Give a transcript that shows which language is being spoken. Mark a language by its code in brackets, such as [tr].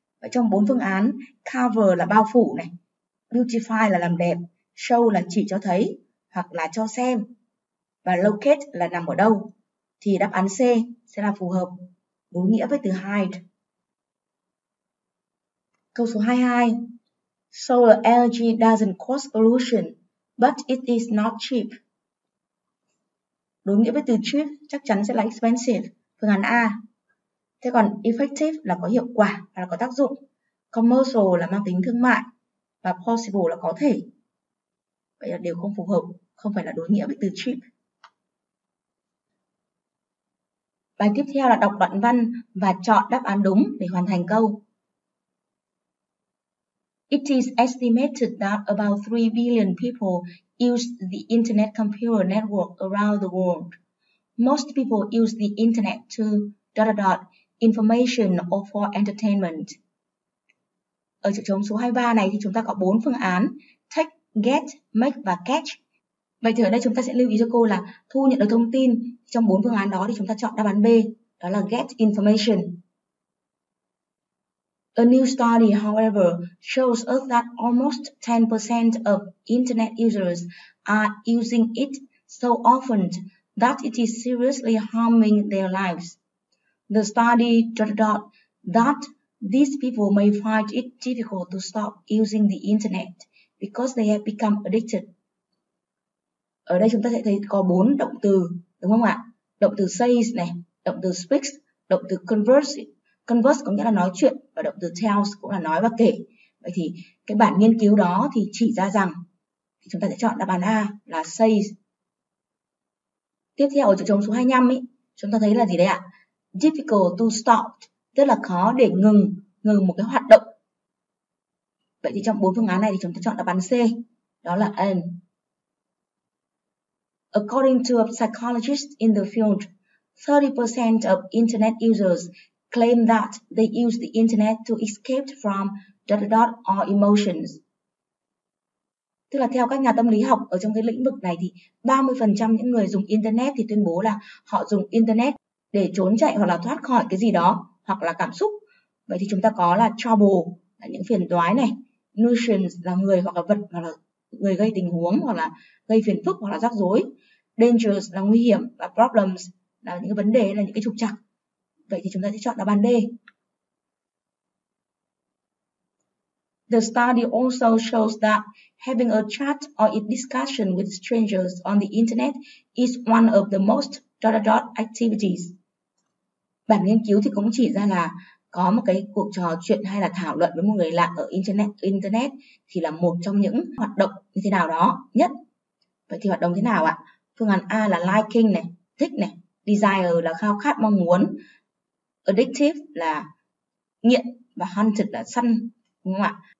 [vi] Vậy trong bốn phương án, cover là bao phủ này, beautify là làm đẹp, show là chỉ cho thấy hoặc là cho xem, và locate là nằm ở đâu, thì đáp án C sẽ là phù hợp đối nghĩa với từ hide. Câu số 22. [en] Solar energy doesn't cause pollution, but it is not cheap. [vi] Đối nghĩa với từ cheap chắc chắn sẽ là expensive, phương án A. Thế còn effective là có hiệu quả và là có tác dụng. Commercial là mang tính thương mại, và possible là có thể. Vậy là đều không phù hợp, không phải là đối nghĩa với từ cheap. Bài tiếp theo là đọc đoạn văn và chọn đáp án đúng để hoàn thành câu. [en] It is estimated that about 3 billion people use the internet computer network around the world. Most people use the internet to information or for entertainment. [vi] Ở chữ trống số 23 này thì chúng ta có 4 phương án: take, get, make và catch. Vậy thì ở đây chúng ta sẽ lưu ý cho cô là thu nhận được thông tin trong 4 phương án đó thì chúng ta chọn đáp án B, đó là get information. [en] A new study, however, shows us that almost 10% of internet users are using it so often that it is seriously harming their lives. The study that these people may find it difficult to stop using the internet because they have become addicted. [vi] Ở đây chúng ta sẽ thấy có 4 động từ, đúng không ạ? Động từ says này, động từ speaks, động từ converse. Converse có nghĩa là nói chuyện, và động từ tells cũng là nói và kể. Vậy thì cái bản nghiên cứu đó thì chỉ ra rằng thì chúng ta sẽ chọn đáp án A là says. Tiếp theo ở chỗ trống số 25 ấy, chúng ta thấy là gì đấy ạ? [en] Difficult to stop, [vi] tức là khó để ngừng một cái hoạt động. Vậy thì trong 4 phương án này thì chúng ta chọn đáp án C, đó là N. [en] According to a psychologist in the field, 30% of internet users claim that they use the internet to escape from or emotions. [vi] Tức là theo các nhà tâm lý học ở trong cái lĩnh vực này thì 30% những người dùng internet thì tuyên bố là họ dùng internet để trốn chạy hoặc là thoát khỏi cái gì đó, hoặc là cảm xúc. Vậy thì chúng ta có là trouble là những phiền toái này, nuisance là người hoặc là vật hoặc là người gây tình huống hoặc là gây phiền phức hoặc là rắc rối, dangerous là nguy hiểm, và problems là những vấn đề, là những cái trục trặc. Vậy thì chúng ta sẽ chọn đáp án D. [en] The study also shows that having a chat or a discussion with strangers on the internet is one of the most activities. [vi] Bản nghiên cứu thì cũng chỉ ra là có một cái cuộc trò chuyện hay là thảo luận với một người lạ ở internet thì là một trong những hoạt động như thế nào đó nhất. Vậy thì hoạt động thế nào ạ? Phương án A là liking này, thích này, desire là khao khát mong muốn, addictive là nghiện, và hunted là săn, đúng không ạ?